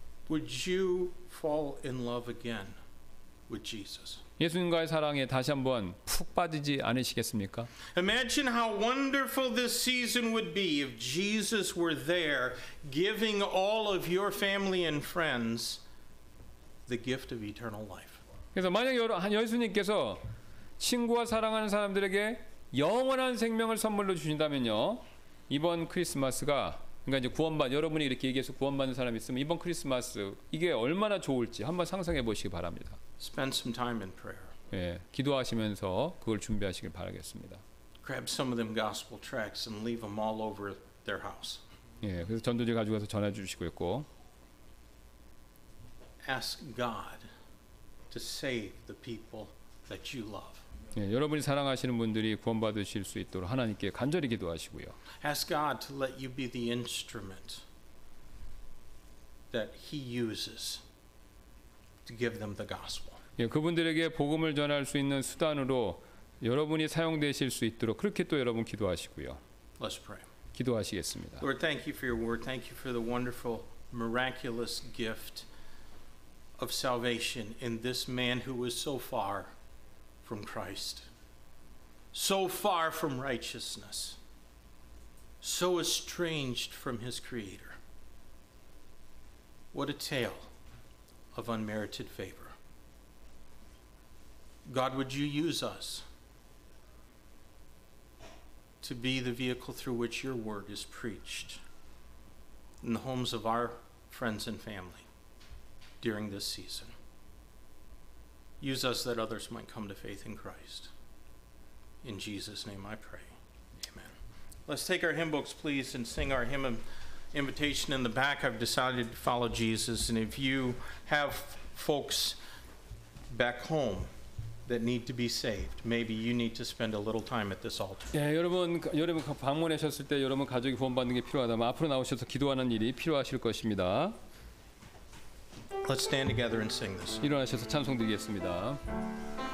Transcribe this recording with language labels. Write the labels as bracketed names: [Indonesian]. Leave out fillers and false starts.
[English] Would you fall in love again with Jesus? [Korean] 예수님과의 사랑에 다시 한번 푹 빠지지 않으시겠습니까? [English] Imagine how wonderful this season would be if Jesus were there giving all of your family and friends the gift of eternal life. [Korean] 그래서 만약에 예수님께서 친구와 사랑하는 사람들에게 영원한 생명을 선물로 주신다면요. 이번 크리스마스가 그러니까 이제 구원받 여러분이 이렇게 얘기해서 구원받는 사람이 있으면 이번 크리스마스 이게 얼마나 좋을지 한번 상상해 보시기 바랍니다. [English] Spend some time in prayer. [Korean] 예. 기도하시면서 그걸 준비하시길 바라겠습니다. [English] Grab some of them gospel tracts and leave them all over their house. [Korean] 예. 그래서 전도지 가지고 가서 전해 주시고 있고 [English] Ask God to save the people that you love. [Korean] 예, 여러분이 사랑하시는 분들이 구원받으실 수 있도록 하나님께 간절히 기도하시고요. [English] Ask God to let you be the instrument that he uses to give them the gospel. [Korean] 예, 그분들에게 복음을 전할 수 있는 수단으로 여러분이 사용되실 수 있도록 그렇게 또 여러분 기도하시고요. [English] Let's pray. [Korean] 기도하시겠습니다. [English] Lord, thank you for your word. Thank you for the wonderful miraculous gift of salvation in this man who was so far from Christ, so far from righteousness, so estranged from his Creator. What a tale of unmerited favor. God, would you use us to be the vehicle through which your word is preached in the homes of our friends and family during this season. Use us that others might come to faith in Christ. In Jesus' name I pray, amen. Let's take our hymn books, please, and sing our hymn of invitation in the back. I've decided to follow Jesus, and if you have folks back home that need to be saved, maybe you need to spend a little time at this altar. [Korean] 예, 여러분 방문하셨을 때 여러분 가족이 구원받는 게 필요하다면 앞으로 나오셔서 기도하는 일이 필요하실 것입니다. [English] Let's stand together and sing this. [Korean] 일어나셔서 찬송 드리겠습니다.